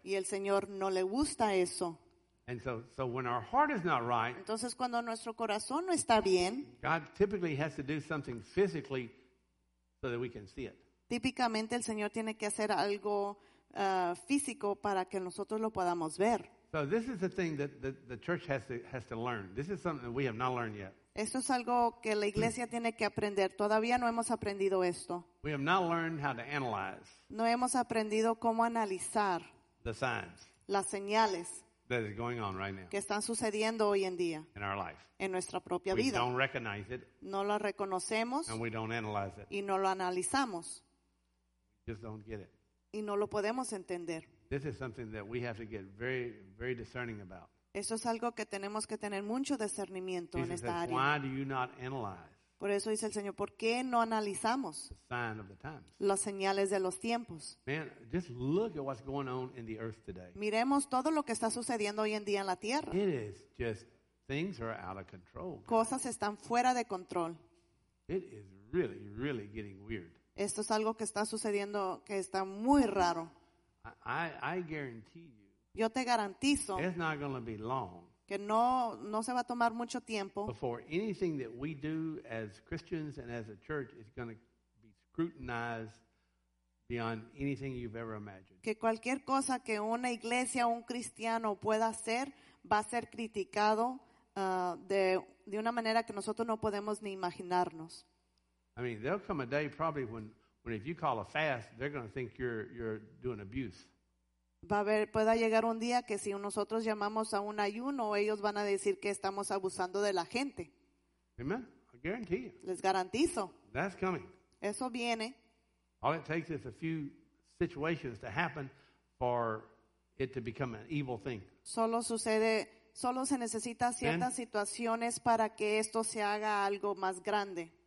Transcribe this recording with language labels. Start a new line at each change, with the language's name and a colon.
Spanish: Y el Señor no le gusta eso.
English: And so when our heart is not right.
Spanish: Entonces cuando nuestro corazón no está bien.
English: God typically has to do something physically so that we can see it.
Spanish: Típicamente el Señor tiene que hacer algo físico para que nosotros lo podamos ver.
English: So this is the thing that the church has to learn. This is something that we have not learned yet.
Spanish: Esto es algo que la iglesia tiene que aprender. Todavía no hemos aprendido esto.
English: We have not learned how to analyze.
Spanish: No hemos aprendido cómo analizar
English: the signs.
Spanish: Las señales.
English: That is going on right now.
Spanish: Que están sucediendo hoy en día.
English: In our life.
Spanish: En nuestra propia
English: we
Spanish: vida.
English: We don't recognize it.
Spanish: No lo reconocemos.
English: And we don't analyze it.
Spanish: Y no lo analizamos.
English: Just don't get it.
Spanish: Y no lo podemos entender.
English: This is something that we have to get very, very discerning about.
Spanish: Eso es algo que tenemos que tener mucho discernimiento
English: Jesus
Spanish: en esta
English: says,
Spanish: área.
English: Why do you not analyze?
Spanish: Por eso dice el Señor, ¿por qué no analizamos
English: the sign of the times?
Spanish: Las señales de los tiempos?
English: Man, just look at what's going on in the earth today.
Spanish: Miremos todo lo que está sucediendo hoy en día en la tierra.
English: It is just things are out of control.
Spanish: Cosas están fuera de control.
English: It is really, really getting weird.
Spanish: Esto es algo que está sucediendo que está muy raro.
English: I guarantee you.
Spanish: Yo te garantizo.
English: It's not going to be long.
Spanish: Que no se va a tomar mucho tiempo.
English: Before anything that we do as Christians and as a church is going to be scrutinized beyond anything you've ever imagined.
Spanish: Que cualquier cosa que una iglesia o un cristiano pueda hacer va a ser criticado de una manera que nosotros no podemos ni imaginarnos.
English: I mean, there'll come a day probably when if you call a fast, they're going to think you're doing abuse.
Spanish: Va a haber, pueda llegar un día que si nosotros llamamos a un ayuno, ellos van a decir que estamos abusando de la gente.
English: Amen. I guarantee you.
Spanish: Les garantizo.
English: That's coming.
Spanish: Eso viene.
English: All it takes is a few situations to happen for it to become an evil thing.
Spanish: Solo se necesita ciertas situaciones para que esto se haga algo más grande.